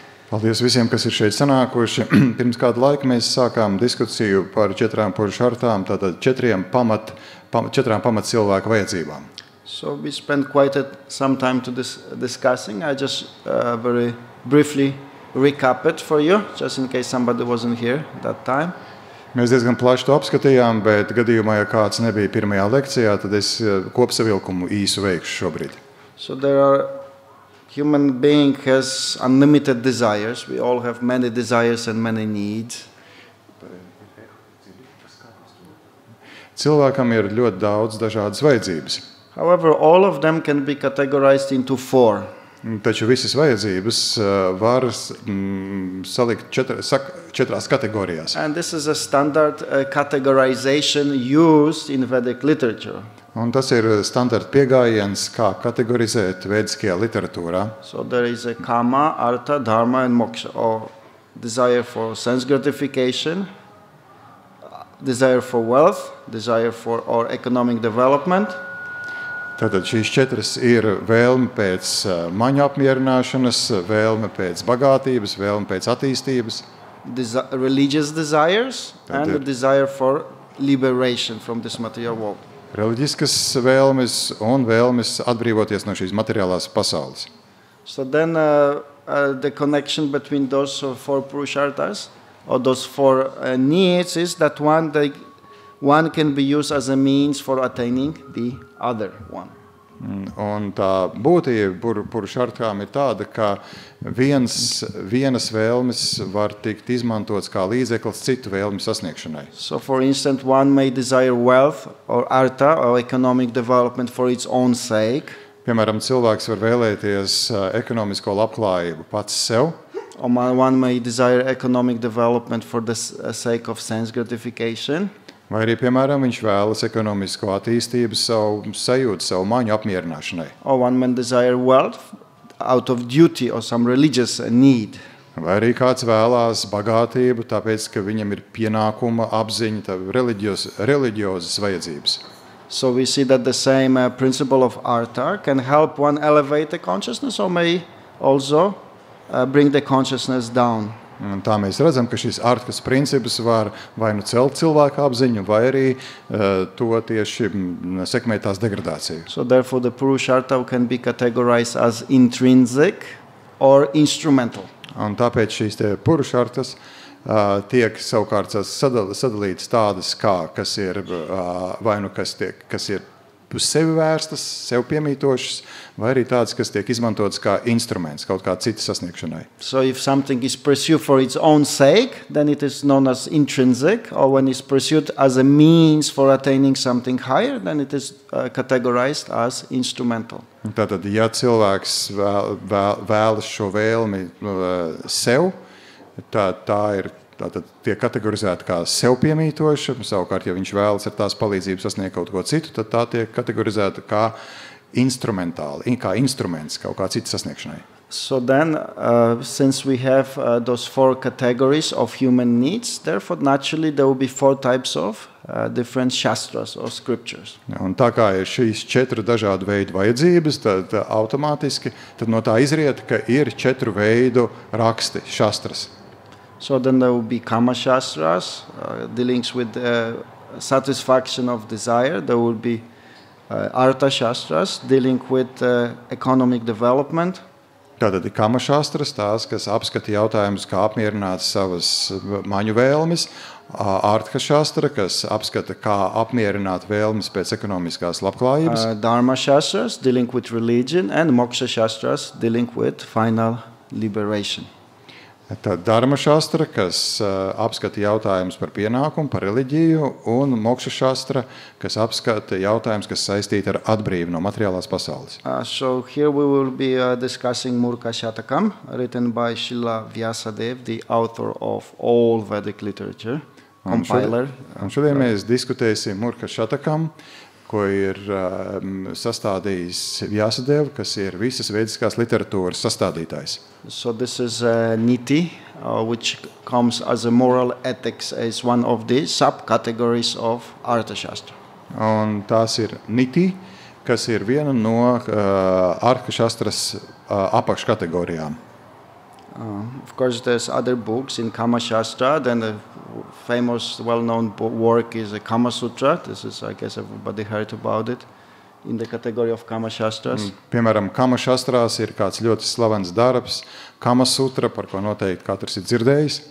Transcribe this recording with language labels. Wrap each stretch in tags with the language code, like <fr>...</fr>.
<lv>Paldies visiem, kas ir šeit sanākuši. Pirms kādu laiku mēs sākām diskusiju par četrām purušartām, tātad četrām pamat cilvēku vajadzībām.</lv> <en>So we spent quite some time to discussing. I just very briefly recap it for you, just in case somebody wasn't here that time.</en> <lv>Mēs diezgan plaši to apskatījām, bet gadījumā, ja kāds nebija pirmajā lekcijā, tad es kopsavilkumu īsu veikšu šobrīd.</lv> <en>So there are human being has unlimited desires. We all have many desires and many needs.</en> <lv>Cilvēkam ir ļoti daudz dažādas vajadzības.</lv> <en>However, all of them can be categorized into four.</en> <lv>Taču visas vajadzības var salikt četrās kategorijās.</lv> <en>And this is a standard categorization used in Vedic literature.</en> <lv>Un tas ir standarta pieejams, kā kategorizēt vediskajā literatūrā.</lv> <en>So there is a kama, artha, dharma and moksha, or desire for sense gratification, desire for wealth, desire for or economic development.</en> <lv>Tātad šīs četras ir vēlme pēc maņu apmierināšanas, vēlme pēc bagātības, vēlme pēc attīstības.</lv> <en>Religious desires and a desire for liberation from this material world.</en> <lv>Reliģiskas vēlmes un vēlmes atbrīvoties no šīs materiālās pasaules.</lv> <en>So then the connection between those four purusharthas or those four needs is that one can be used as a means for attaining the other one.</en> <lv>Un tā būtība purušartām ir tāda, ka vienas vēlmes var tikt izmantots kā līdzeklis citu vēlmi sasniegšanai.</lv> <en>So for instance one may desire wealth or artha or economic development for its own sake.</en> <lv>Piemēram, cilvēks var vēlēties ekonomisko labklājību pats sev.</lv> <en>Or one may desire economic development for the sake of sense gratification.</en> <lv>Vai arī, piemēram, viņš vēlas ekonomisko attīstību savu sajūtu, savu maņu apmierināšanai.</lv> <en>Or one man desire wealth out of duty or some religious need.</en> <lv>Vai arī kāds vēlas bagātību, tāpēc, ka viņam ir pienākuma apziņa, tā reliģiozas vajadzības.</lv> <en>So we see that the same principle of artha can help one elevate the consciousness or may also bring the consciousness down.</en> <lv>Un tā mēs redzam, ka šis artas princips var vai nu celt cilvēku apziņu, vai arī to tieši sekmēt tās degradāciju.</lv> <en>So therefore the purusharta can be categorized as intrinsic or instrumental.</en> <lv>Un tāpēc šīs te purušartas tiek savukārt sadalītas tādas, kā kas ir vai nu kas ir uz sevi vērstas, sev piemītošas, vai arī tādas, kas tiek izmantotas kā instruments, kaut kā citas sasniegšanai.</lv> <en>So if something is pursued for its own sake, then it is known as intrinsic, or when it's pursued as a means for attaining something higher, then it is categorized as instrumental.</en> <lv>Tātad, ja cilvēks vēlas šo vēlmi sev, tā ir tātad tie kategorizēti kā sev piemītoši, savukārt, ja viņš vēlas ar tās palīdzības sasniegt kaut ko citu, tad tā tiek kategorizēta kā instrumentāli, kā instruments kaut kā citu sasniegšanai.</lv> <en>So then, since we have those four categories of human needs, therefore naturally there will be four types of different shastras or scriptures.</en> <lv>Un tā kā ir šīs četru dažādu veidu vajadzības, tad automātiski, tad no tā izriet, ka ir četru veidu raksti, shastras.</lv> <en>So then there will be kama shastras dealing with satisfaction of desire. There will be Arthashastras dealing with economic development.</en> <lv>Tātad Kamašastras, tās, kas apskata jautājumus, kā apmierināt savas maņu vēlmes, Arthashastra, kas apskata, kā apmierināt vēlmes pēc ekonomiskās labklājības.</lv> <en>Dharmashastras, dealing with religion, and Mokshashastras, dealing with final liberation.</en> <lv>Tad Dharmashastra, kas apskata jautājumus par pienākumu, par reliģiju, un Mokshashastra, kas apskata jautājumus, kas saistīti ar atbrīvu no materiālās pasaules.</lv> <en>So here we will be discussing Murka Shatakam, written by Śrīla Vyāsadeva, the author of all Vedic literature, compiler.</en> <lv>Un šodien mēs diskutēsim Murka Shatakam, ko ir sastādījis Vyāsadeva, kas ir visas vediskās literatūras sastādītājs.</lv> <en>So this is Niti, which comes as a moral ethics, as one of the subcategories of Arthashastra.</en> <lv>Un tās ir Niti, kas ir viena no Arthashastras apakškategorijām.</lv> <en>Of course, there's other books in Kama Shastra, then the famous, well-known work is the Kama Sutra. This is, I guess, everybody heard about it in the category of Kama Shastras.</en> <lv>Piemēram, Kama Shastras ir kāds ļoti slavens darbs, Kama Sutra, par ko noteikti katrs ir dzirdējis.</lv>